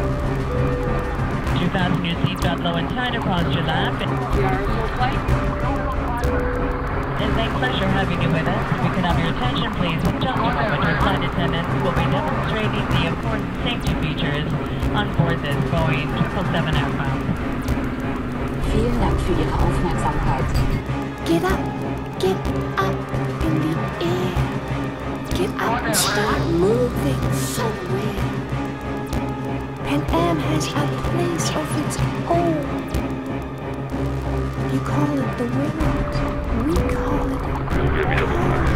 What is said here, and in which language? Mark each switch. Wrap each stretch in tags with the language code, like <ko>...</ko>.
<en>2,000 new seatbelt low and tight across your lap. We are full flight. It's a pleasure having you with us. If we could have your attention, please. In just a moment, our flight attendants will be demonstrating the important safety features on board this Boeing 777 aircraft.</en> <de>Vielen Dank für Ihre Aufmerksamkeit.</de> <en>Get up. Get up in the air. Get up and start moving somewhere. Pan Am has a place of its own. You call it the world. We call it</en>